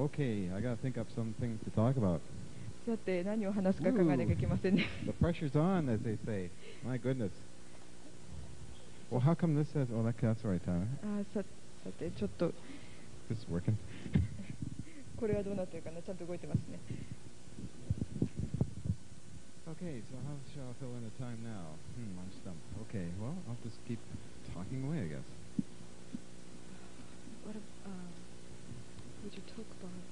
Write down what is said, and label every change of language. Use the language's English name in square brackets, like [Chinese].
[English] Okay, I gotta think up something to talk about. [Japanese] さて、何を話すか考えなきゃいけませんね。 [English] The pressure's on, as they say. My goodness. Well, how come this says... Oh, that's right, Tyler. [Japanese] さて、ちょっと... [English] This is working. [Japanese] これはどうなってるかな。ちゃんと動いてますね。 [English] Okay, so how shall I fill in the time now? I'm stumped. Okay, well, I'll just keep talking away, I guess. What would you talk about?